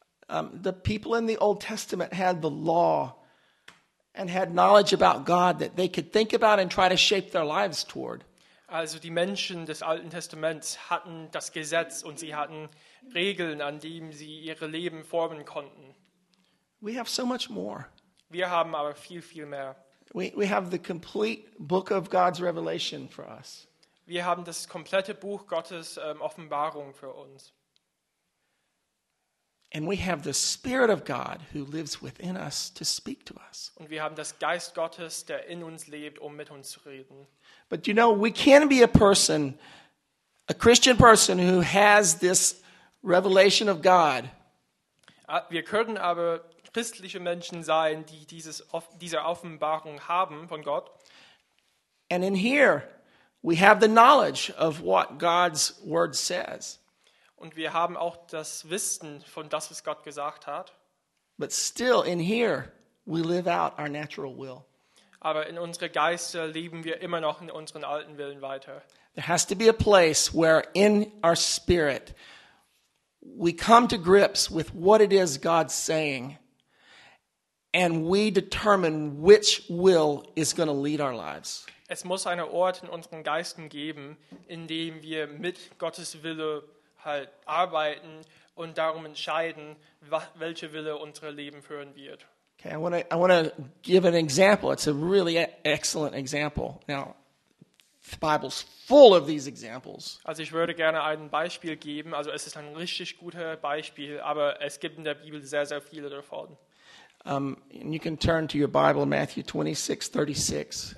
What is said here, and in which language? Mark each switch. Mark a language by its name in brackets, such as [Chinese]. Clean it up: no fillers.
[English] The people in the Old Testament had the law and had knowledge about God that they could think about and try to shape their lives toward. [German] Also die Menschen des Alten Testaments hatten das Gesetz und sie hatten Regeln, an denen sie ihre Leben formen konnten. [English] We have so much more. [German] Wir haben aber viel, viel mehr. [English] We have the complete book of God's revelation for us. [German] Wir haben das komplette Buch Gottes Offenbarung für uns. [English] And we have the Spirit of God who lives within us to speak to us. [German] Und wir haben das Geist Gottes, der in uns lebt, um mit uns zu reden. [English] But you know, we can be a person, a Christian person who has this revelation of God. [German] Wir können aber christliche Menschen sein, die diese Offenbarung haben von Gott. [English] And in here, we have the knowledge of what God's word says. [German] Und wir haben auch das Wissen von das, was Gott gesagt hat. [English] But still in here, we live out our natural will. [German] Aber in unsere Geister leben wir immer noch in unseren alten Willen weiter. [English] There has to be a place where in our spirit, we come to grips with what it is God's saying. And we determine which will is going to lead our lives. [German] Es muss einen Ort in unseren Geistern geben, in dem wir mit Gottes Wille halt arbeiten und darum entscheiden, welche Wille unser Leben führen wird. [English] Okay, I want to give an example. It's a really excellent example. Now, the Bible's full of these examples. [German] Also ich würde gerne ein Beispiel geben. Also es ist ein richtig gutes Beispiel, aber es gibt in der Bibel sehr, sehr viele davon. [English] And you can turn to your Bible, Matthew 26, 36.